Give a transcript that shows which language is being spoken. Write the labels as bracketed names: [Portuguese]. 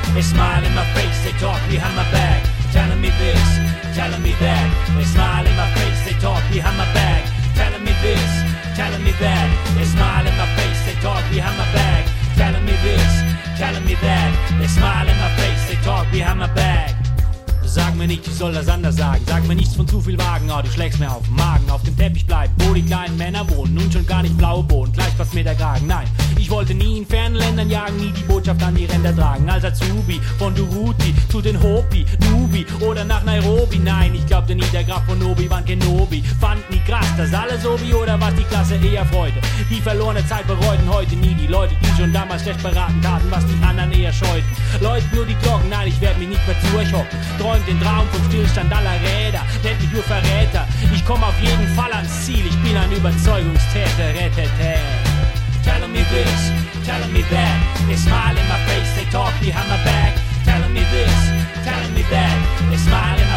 [English] They smile in my face, they talk behind my back. Telling me this, telling me that. They smile in my face, they talk behind my back. Telling me this, telling me that. They smile in my face, they talk behind my back. Telling me this, telling me that. They smile in my face, they talk behind my back. [German] Sag mir nicht, ich soll das anders sagen. Sag mir nichts von zu viel Wagen, oh, du schlägst mir auf den Magen. Auf dem Teppich bleib, wo die kleinen Männer wohnen. Nun schon gar nicht blaue Bohnen, gleich passt mir der Kragen. Nein, ich wollte nie in fernen Ländern jagen, nie die Botschaft an die Ränder tragen. Als Azubi, von Duruti zu den Hopi, Nubi oder nach Nairobi. Nein, ich glaubte nie, der Graf von Obi-Wan Kenobi. Fand nie krass, dass alles Obi oder was die Klasse eher freute. Die verlorene Zeit bereuten heute nie die Leute, die schon damals schlecht beraten taten, was die anderen eher scheuten. Läuten nur die Glocken, nein, ich werd mich nicht mehr zu euch hocken. Den Traum vom Stillstand aller Räder, nennt mich nur Verräter. Ich komm auf jeden Fall ans Ziel, ich bin ein Überzeugungstäter. Rettete. [English] Telling me this, telling me that. They smile in my face, they talk behind my back. Telling me this, telling me that. They smile.